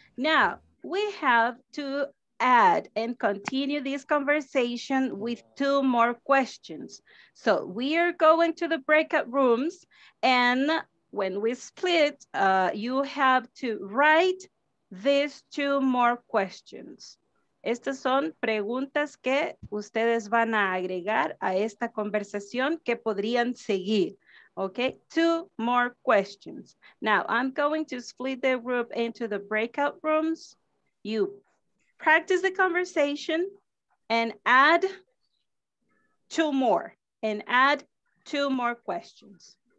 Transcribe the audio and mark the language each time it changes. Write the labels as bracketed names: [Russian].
[English] Now, we have to add and continue this conversation with two more questions. So we are going to the breakout rooms, and when we split, you have to write these two more questions. [Spanish] Estas son preguntas que ustedes van a agregar a esta conversación que podrían seguir. [English] Okay, two more questions. Now, I'm going to split the group into the breakout rooms. You practice the conversation and add two more, and add two more questions.